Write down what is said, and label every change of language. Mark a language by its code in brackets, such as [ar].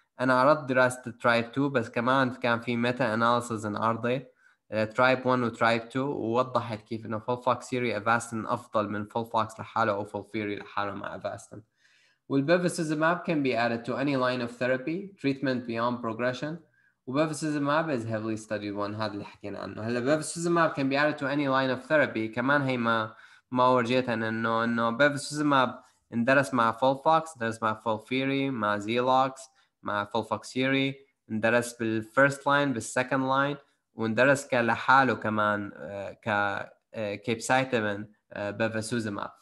[ar] انا عرضت دراسه ترايب 2 بس كمان كان في ميتا اناليسز ان عرضي Tribe 1 و Tribe 2 ووضحت كيف انه فولفوكسيري افاستن افضل من فولفوكس لحاله او فولفيري لحاله مع افاستن. [en] والبيفسوزوماب can be added to any line of therapy treatment beyond progression. [ar] وبيفسوزوماب [en] is heavily studied one, [ar] هذا اللي حكينا عنه. هلا بيفسوزوماب [en] can be added to any line of therapy [ar] كمان هي ما ورجيتها انه بيفسوزوماب اندرس مع فولفوكس, درس مع فولفيري, مع زيلوكس, مع فولفوكسيري, اندرس بالفيرست لاين بالسكند لاين, وندرس لحاله كمان كيبسايتامين بيفاسوزوماب.